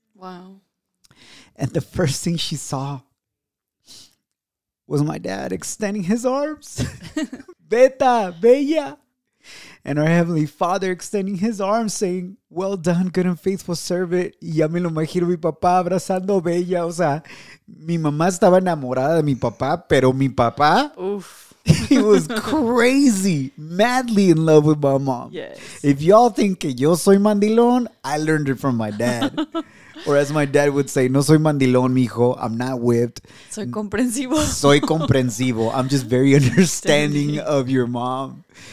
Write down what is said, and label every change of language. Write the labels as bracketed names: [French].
[English] Wow. And the first thing she saw was my dad extending his arms. Beta, Bella. And our Heavenly Father extending his arms saying, well done, good and faithful servant. [Spanish] Ya me lo imagino mi papá abrazando Bella. O sea, mi mamá estaba enamorada de mi papá, pero mi papá. Uf. [English] He was crazy, madly in love with my mom. Yes. If y'all think [Spanish] que yo soy mandilón, [English] I learned it from my dad. Or as my dad would say, [Spanish] no soy mandilón, mijo. [English] I'm not whipped. [Spanish] Soy comprensivo. Soy comprensivo. [English] I'm just very understanding of your mom.